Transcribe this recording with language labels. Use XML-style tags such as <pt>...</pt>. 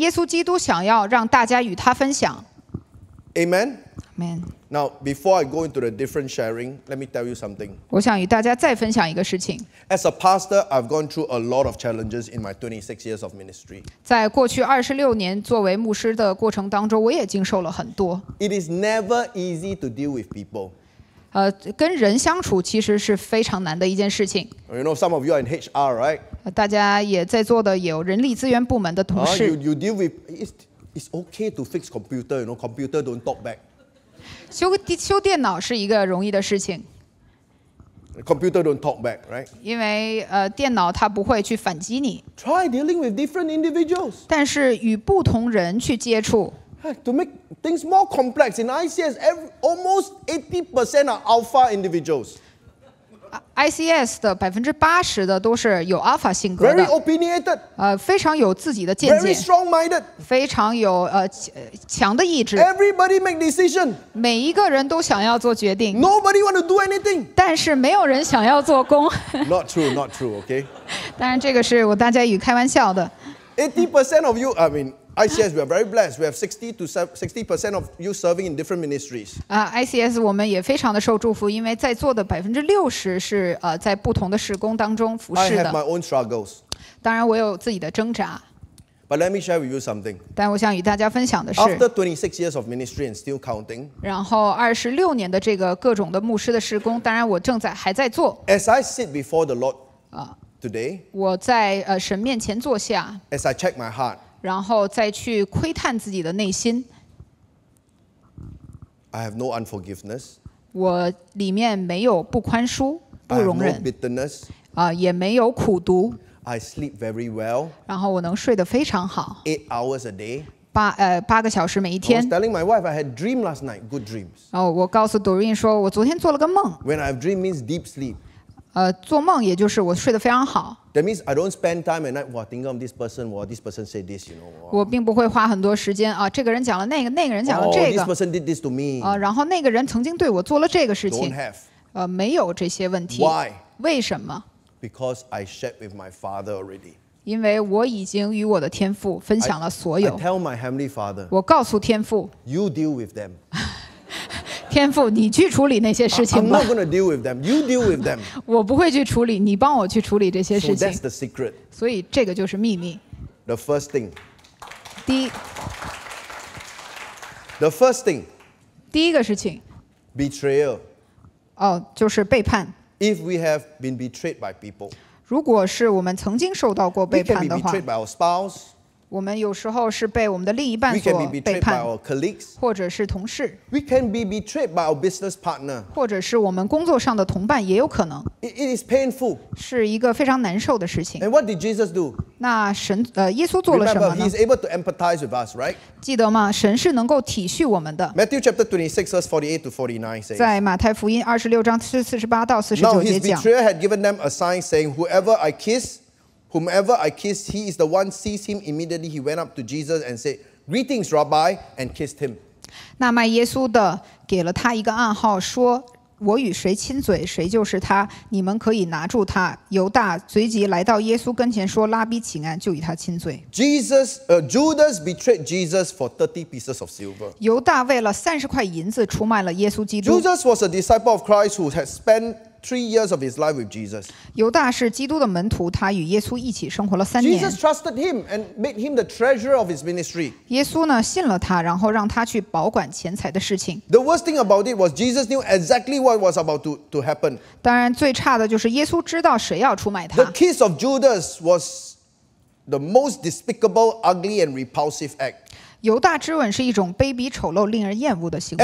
<zh>耶稣基督想要让大家与他分享。</zh> <en>Amen? Amen. Now, before I go into the different sharing, let me tell you something.</en> <zh>我想与大家再分享一个事情。</zh> <en>As a pastor, I've gone through a lot of challenges in my 26 years of ministry.</en> <zh>在过去26年作为牧师的过程当中，我也经受了很多。</zh> <en>It is never easy to deal with people.</en> <zh>跟人相处其实是非常难的一件事情。</zh> <en>You know, some of you are in HR, right?</en> <zh>大家也在座的有人力资源部门的同事。</zh> <en>You deal with, it's okay to fix computer, you know, computer don't talk back.</en> <zh>修电脑是一个容易的事情。</zh> <en>Computer don't talk back, right?</en> <zh>因为, 电脑它不会去反击你。</zh> <en>Try dealing with different individuals.</en> <zh>但是与不同人去接触。</zh> <en>To make things more complex, in ICS, almost 80% are alpha individuals.</en> <zh>ICS 的 80% 的都是有 alpha 性格的。</zh> <en>Very opinionated.</en> <zh>非常有自己的见解。</zh> <en>Very strong-minded.</en> <zh>非常有强的意志。</zh> <en>Everybody make decision.</en> <zh>每一个人都想要做决定。</zh> <en>Nobody want to do anything.</en> <zh>但是没有人想要做工。</zh> <en>Not true, not true, okay?</en> <zh>当然这个是我大家与开玩笑的。</zh> <en>80% of you, I mean,ICS, we are very blessed. We have 60% of you serving in different ministries.</en> <zh>ICS, 我们也非常的受祝福，因为在座的60%是在不同的事工当中服侍的。</zh> <en>I have my own struggles.</en> <zh>当然，我有自己的挣扎。</zh> <en>But let me share with you something.</en> <zh>但我想与大家分享的是</zh> <en>，After 26 years of ministry and still counting.</en> <zh>然后26年的这个各种的牧师的事工，当然我还在做。</zh> <en>As I sit before the Lord, today.</en> <zh>我在神面前坐下。</zh> <en>As I check my heart.</en> <zh>然后再去窥探自己的内心。</zh> <en>I have no unforgiveness.</en> <zh>我里面没有不宽恕、不容忍。</zh> <en>I have no bitterness.</en> <zh>也没有苦毒。</zh> <en>I sleep very well.</en> <zh>然后我能睡得非常好。</zh> <en>8 hours a day.</en> <zh>八个小时每一天。</zh> <en>I was telling my wife I had dream last night. Good dreams.</en> <zh>我告诉 Doreen 说，我昨天做了个梦。</zh> <en>When I have dream means deep sleep.</en> <zh>做梦也就是我睡得非常好。</zh> <en>That means I don't spend time at night. Thinking of this person, this person said this, you know.</en> <zh>我并不会花很多时间这个人讲了那个人讲了这个。</zh> <en>This person did this to me.</en> <zh>然后那个人曾经对我做了这个事情。</zh> <en>Don't have.</en> <zh>没有这些问题。</zh> <en>Why?</en> <zh>为什么</zh> <en>？Because I shared with my father already.</en> <zh>因为我已经与我的天父分享了所有。</zh> <en>I tell my heavenly father.</en> <zh>我告诉天父。</zh> <en>You deal with them.</en> <zh>天父，你去处理那些事情吧。</zh> <en>I'm not going to deal with them. You deal with them.</en> <zh>我不会去处理，你帮我去处理这些事情。</zh> <en>So that's the secret.</en> <zh>所以这个就是秘密。</zh> <en>The first thing.</en> <zh>第一。</zh> <en>The first thing.</en> <zh>第一个事情。</zh> <en>Betrayal.</en> <zh>就是背叛。</zh> <en>If we have been betrayed by people.</en> <zh>如果是我们曾经受到过背叛的话。</zh> <en>We can be betrayed by our spouse.</en> <zh>我们有时候是被我们的另一半所背叛，或者是同事。</zh> <en>We can be betrayed by our business partner，</en> <zh>或者是我们工作上的同伴也有可能。</zh> <en>It is painful，</en> <zh>是一个非常难受的事情。</zh> <en>And what did Jesus do？</en> <zh>那神耶稣做了什么呢</zh> <en>？Remember, he is able to empathize with us, right？</en> <zh>记得吗？神是能够体恤我们的。</zh> <en>Matthew chapter 26 verse 48 to 49 says，</en> <zh>在马太福音26:48-49 节讲。</zh> <en>Now his betrayer had given them a sign saying, "Whoever I kiss." Whomever I kiss, he is the one sees him. Immediately he went up to Jesus and said, "Greetings, Rabbi," and kissed him.</en> <zh>那卖耶稣的给了他一个暗号，说我与谁亲嘴，谁就是他。你们可以拿住他。犹大随即来到耶稣跟前，说：“拉比，请安。” 就与他亲嘴。</zh> <en>Judas betrayed Jesus for 30 pieces of silver.</en> <zh>犹大为了30块银子出卖了耶稣基督。</zh> <en>Judas was a disciple of Christ who had spent3 years of his life with Jesus.</en> <zh>犹大是基督的门徒，他与耶稣一起生活了3年。</zh> <en>Jesus trusted him and made him the treasurer of his ministry.</en> <zh>耶稣呢信了他，然后让他去保管钱财的事情。</zh> <en>The worst thing about it was Jesus knew exactly what was about to happen.</en> <zh>当然，最差的就是耶稣知道谁要出卖他。</zh> <en>The kiss of Judas was the most despicable, ugly, and repulsive act.</en> <zh>犹大之吻是一种卑鄙、丑陋、令人厌恶的行为。</zh>